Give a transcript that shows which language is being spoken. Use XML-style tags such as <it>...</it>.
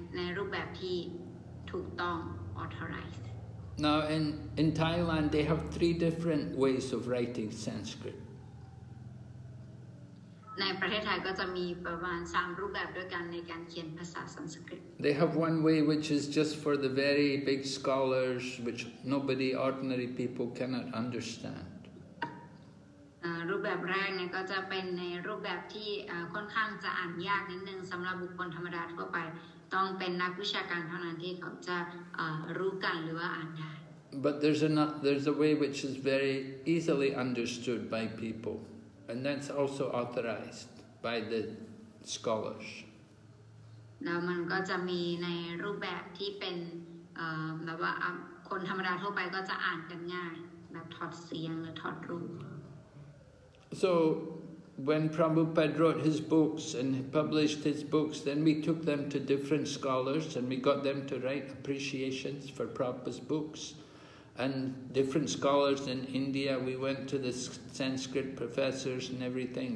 <th>ก็แน่นอนอยู่แล้วนะคะว่าเราก็จะทำหนังสือของเราเนี่ยในรูปแบบที่เป็นที่ยอมรับกันทั่วแล้วก็แบบในรูปแบบที่ถูกต้อง authorized.</th> <en>Now in Thailand they have three different ways of writing Sanskrit.</en> <th>ในประเทศไทยก็จะมีประมาณสามรูปแบบด้วยกันในการเขียนภาษาสันสกฤต.</th> <en>They have one way which is just for the very big scholars, which nobody, ordinary people cannot understand.</en> <th>รูปแบบแรกเนี่ยก็จะเป็นในรูปแบบที่ค่อนข้างจะอ่านยากนิดนึงสำหรับบุคคลธรรมดาทั่วไปต้องเป็นนักวิชาการเท่านั้นที่เขาจะรู้กันหรือว่าอ่านได้.</th> <en>But there's a way which is very easily understood by people, and that's also authorized by the scholars.</en> <th>แล้วมันก็จะมีในรูปแบบที่เป็นแบบว่าคนธรรมดาทั่วไปก็จะอ่านกันง่ายแบบถอดเสียงหรือถอดรูป.</th> <en>So when Prabhupada wrote his books and published his books, then we took them to different scholars and we got them to write appreciations for Prabhupada's books. And different scholars in India, we went to the Sanskrit professors and everything.</en>